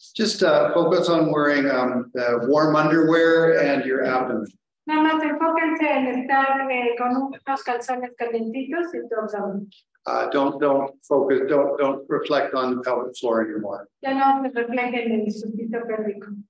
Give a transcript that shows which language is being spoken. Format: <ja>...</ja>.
<en>just focus on wearing warm underwear and your abdomen.</en> <es>Nada más enfóquense en estar con unos calzones calentitos y tu abdomen.</es> <en>Don't focus, don't reflect on the pelvic floor anymore.</en> <es>Ya no se reflejen en el sustito pélvico.</es>